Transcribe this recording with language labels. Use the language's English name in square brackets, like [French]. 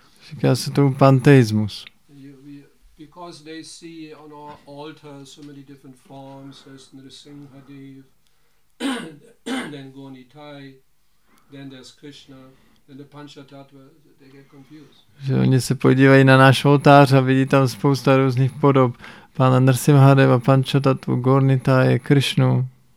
[Czech] Říká se tomu panteismus. [English] Because they see on our altar so many different forms, there's Nrisimha Dev, then Goni Thai, then there's Krishna, then the Panchatattva, they get confused. [Czech] Že oni se podívají na náš oltář a vidí tam spousta různých podob. Pána Nrsimhadeva, Panchatattva, Goni Thai, Krishnu.